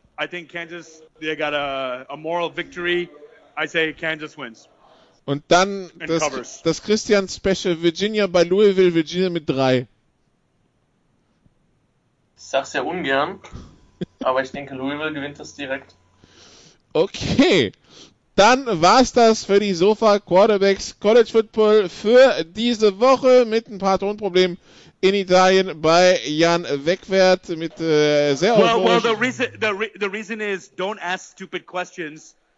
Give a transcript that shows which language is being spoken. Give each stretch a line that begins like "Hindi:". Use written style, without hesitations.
English: I think Kansas, they got a moral victory. I say Kansas wins.
German: Und dann das Christian Special Virginia bei Louisville, Virginia mit 3. Ich sag's ja ungern, aber ich denke, Louisville gewinnt das direkt. Okay, Dann war's das für die Sofa Quarterbacks College Football für diese Woche mit ein paar Tonproblemen in Italien bei Jan Wegwert mit sehr euphorischen.
English: Well, the reason is don't ask stupid questions.